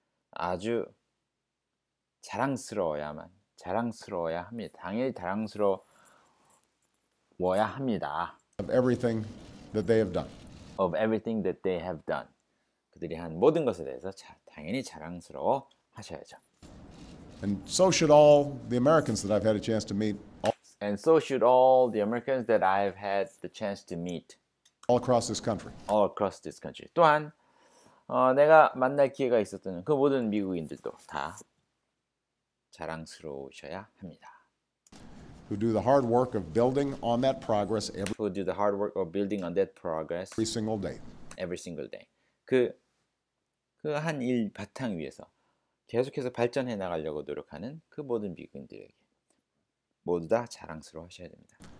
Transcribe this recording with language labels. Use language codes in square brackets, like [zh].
[ko] 아주 자랑스러워야만 자랑스러워야 합니다. 당연히 자랑스러워야 합니다. [en] Of everything that they have done. Of everything that they have done. [ko] 그들이 한 모든 것에 대해서 당연히 자랑스러워 하셔야죠. [en] And so should all the Americans that I've had a chance to meet. And so should all the Americans that I've had the chance to meet. All across this country. All across this country. [ko] 또한 내가 만날 기회가 있었던 그 모든 미국인들도 다 자랑스러우셔야 합니다. [en] Who do the hard work of building on that progress every Who do the hard work of building on that progress every single day. Every single day. [ko] 그 한 일 바탕 위에서 계속해서 발전해 나가려고 노력하는 그 모든 미국인들에게 모두 다 자랑스러워 하셔야 됩니다.